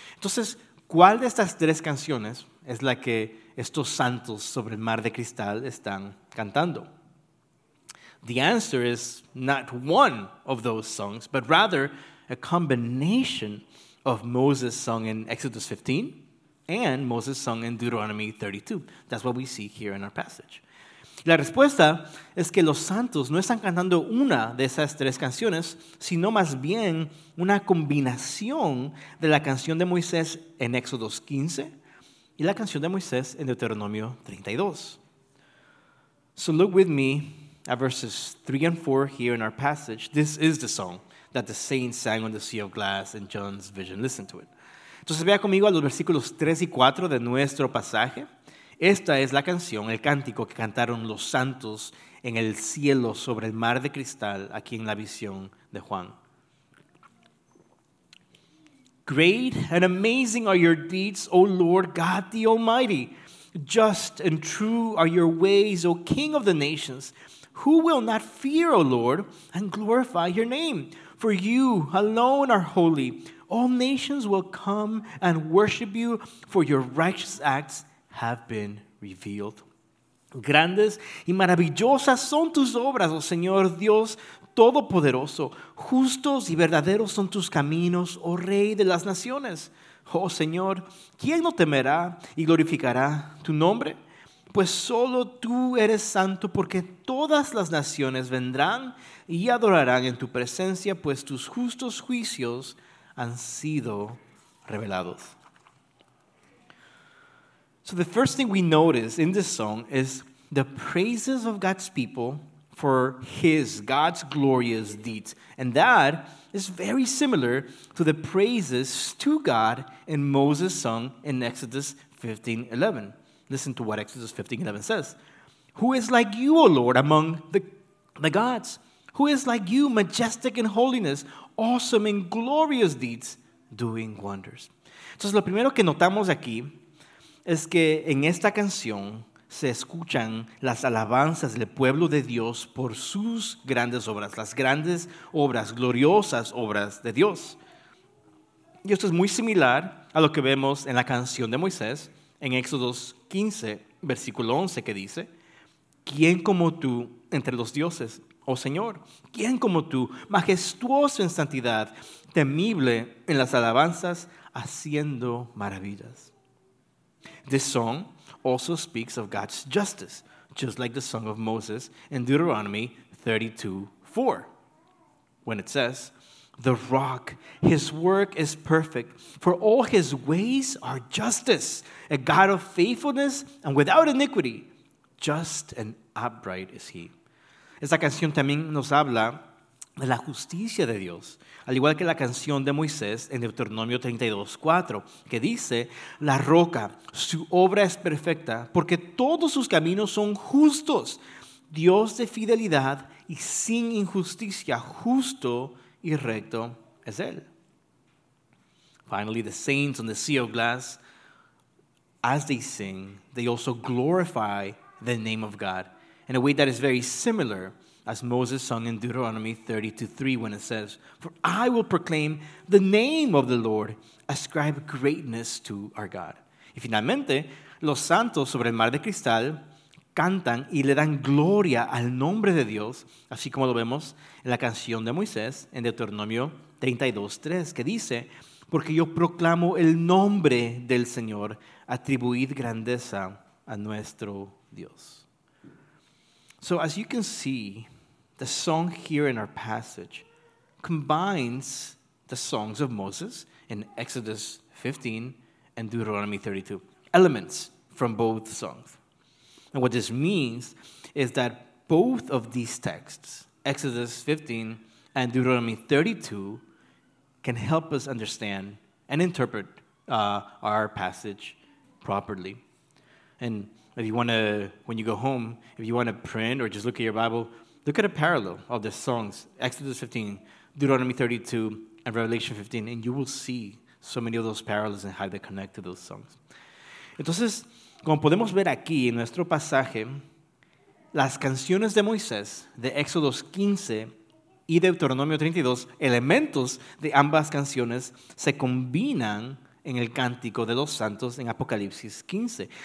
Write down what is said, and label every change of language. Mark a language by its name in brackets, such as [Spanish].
[Spanish] Entonces, ¿cuál de estas tres canciones es la que estos santos sobre el mar de cristal están cantando? [English] The answer is not one of those songs, but rather a combination of Moses' song in Exodus 15 and Moses' song in Deuteronomy 32. That's what we see here in our passage. [Spanish] La respuesta es que los santos no están cantando una de esas tres canciones, sino más bien una combinación de la canción de Moisés en Éxodo 15 y la canción de Moisés en Deuteronomio 32. [English] So look with me at verses 3 and 4 here in our passage. This is the song that the saints sang on the sea of glass in John's vision. Listen to it. [Spanish] Entonces vea conmigo a los versículos 3 y 4 de nuestro pasaje. Esta es la canción, el cántico que cantaron los santos en el cielo sobre el mar de cristal aquí en la visión de Juan. [English] Great and amazing are your deeds, O Lord God the Almighty. Just and true are your ways, O King of the nations. Who will not fear, O Lord, and glorify your name? For you alone are holy. All nations will come and worship you, for your righteous acts have been revealed. [Spanish] Grandes y maravillosas son tus obras, oh Señor Dios Todopoderoso. Justos y verdaderos son tus caminos, oh Rey de las Naciones. Oh Señor, ¿quién no temerá y glorificará tu nombre? Pues solo tú eres santo, porque todas las naciones vendrán y adorarán en tu presencia, pues tus justos juicios han sido revelados. [English] So the first thing we notice in this song is the praises of God's people for his, God's glorious deeds. And that is very similar to the praises to God in Moses' song in Exodus 15:11. Listen to what Exodus 15:11 says. Who is like you, O Lord, among the gods? Who is like you, majestic in holiness, awesome in glorious deeds, doing wonders? [Spanish] Entonces, lo primero que notamos aquí es que en esta canción se escuchan las alabanzas del pueblo de Dios por sus grandes obras, las grandes obras, gloriosas obras de Dios. Y esto es muy similar a lo que vemos en la canción de Moisés, en Éxodos 15, versículo 11, que dice, ¿quién como tú entre los dioses, oh Señor? ¿Quién como tú, majestuoso en santidad, temible en las alabanzas, haciendo maravillas? [English] This song also speaks of God's justice, just like the song of Moses in Deuteronomy 32:4, when it says, the rock, his work is perfect, for all his ways are justice, a God of faithfulness and without iniquity, just and upright is he. [Spanish] Esta canción también nos habla de la justicia de Dios, al igual que la canción de Moisés en Deuteronomio 32:4, que dice, la roca, su obra es perfecta, porque todos sus caminos son justos, Dios de fidelidad y sin injusticia, justo y recto es él. [English] Finally, the saints on the sea of glass, as they sing, they also glorify the name of God in a way that is very similar as Moses sung in Deuteronomy 32:3 when it says, for I will proclaim the name of the Lord, ascribe greatness to our God. [Spanish] Y finalmente, los santos sobre el mar de cristal cantan y le dan gloria al nombre de Dios, así como lo vemos en la canción de Moisés en Deuteronomio 32:3, que dice, porque yo proclamo el nombre del Señor, atribuid grandeza a nuestro Dios. [English] So as you can see, the song here in our passage combines the songs of Moses in Exodus 15 and Deuteronomy 32, elements from both songs. And what this means is that both of these texts, Exodus 15 and Deuteronomy 32, can help us understand and interpret our passage properly. And when you go home, if you want to print or just look at your Bible, look at a parallel of the songs, Exodus 15, Deuteronomy 32, and Revelation 15, and you will see so many of those parallels and how they connect to those songs. [Spanish] Entonces, como podemos ver aquí en nuestro pasaje, las canciones de Moisés, de Éxodos 15 y Deuteronomio 32, elementos de ambas canciones se combinan en el cántico de los santos en Apocalipsis 15.